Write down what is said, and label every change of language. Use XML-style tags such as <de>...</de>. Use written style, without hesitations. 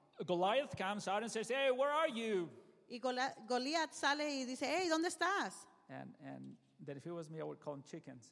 <en>Goliath comes out and says, hey, where are you?</en> <es>Y Goliath sale y dice, hey, ¿dónde estás?</es> <en>And that if it was me, I would call them chickens.</en>